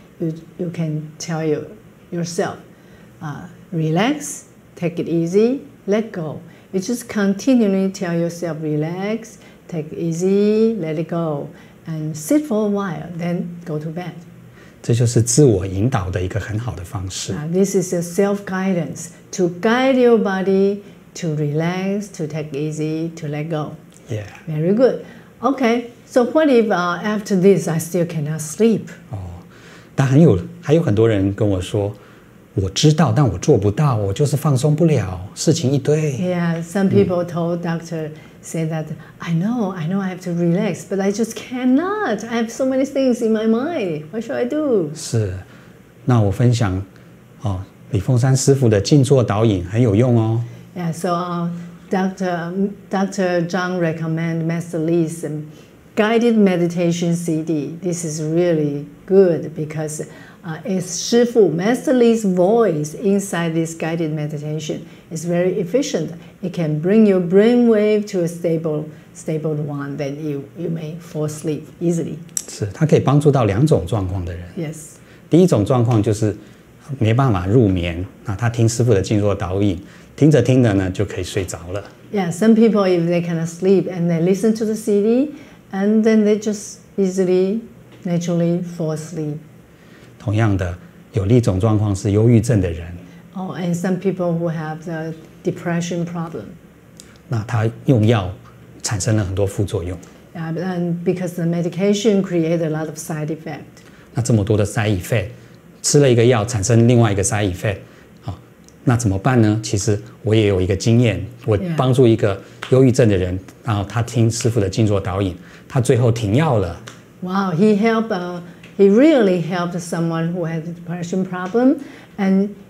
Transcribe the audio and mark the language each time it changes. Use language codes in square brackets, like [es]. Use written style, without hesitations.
[en] You can tell yourself, relax, take it easy, let go. You just continually tell yourself, relax. Take easy, let it go, and sit for a while, then go to bed. [zh] 这就是自我引导的一个很好的方式。 [en] This is a self-guidance to guide your body to relax, to take easy, to let go. Yeah. Very good. Okay, so what if after this I still cannot sleep? [zh] 哦，但还有很多人跟我说，我知道，但我做不到，我就是放松不了，事情一堆。 [en] Yeah, some people told Dr. Say that, I know I have to relax, but I just cannot. I have so many things in my mind. What should I do? [zh] 是，那我分享、哦、李凤山师父的静坐导引很有用哦。 [en] Yeah, so Dr. Zhang recommend Master Li's guided meditation CD. This is really good because it's 师父 Master Li's voice inside this guided meditation. It's very efficient. It can bring your brainwave to a stable one, then you may fall asleep easily. [zh] 是，它可以帮助到两种状况的人。 [en] Yes. [zh] 第一种状况就是没办法入眠，那他听师父的静坐导引，听着听着呢就可以睡着了。 [en] Yeah, some people if they cannot sleep and they listen to the CD, and then they just easily, naturally fall asleep. [zh] 同样的，有另一种状况是忧郁症的人。 [en] Oh, and some people who have the depression problem. [zh] 那他用药产生了很多副作用。 [en] Yeah, and because the medication created a lot of side effect. [zh] 那这么多的 [en] side effect, [zh] 吃了一个药产生另外一个 side effect, 好，那怎么办呢？其实我也有一个经验，我帮助一个忧郁症的人，然后他听师父的静坐导引，他最后停药了。 [en] Wow, he really helped someone who had a depression problem, and.